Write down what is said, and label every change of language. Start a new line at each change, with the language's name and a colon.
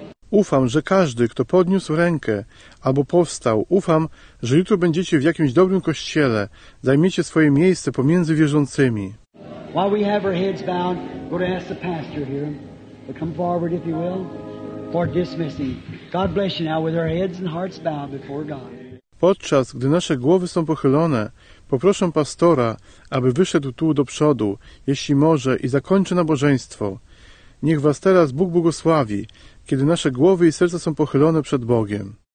Polish: Ufam, że każdy, kto podniósł rękę albo powstał, ufam, że jutro będziecie w jakimś dobrym kościele, zajmiecie swoje miejsce pomiędzy wierzącymi.
English: While we have our heads bowed, go to ask the pastor here to come forward, if you will, for dismissing. God bless you now with our heads and hearts bowed before God.
Polish: Podczas gdy nasze głowy są pochylone, poproszę pastora, aby wyszedł tu do przodu, jeśli może, i zakończy nabożeństwo. Niech Was teraz Bóg błogosławi, kiedy nasze głowy i serca są pochylone przed Bogiem.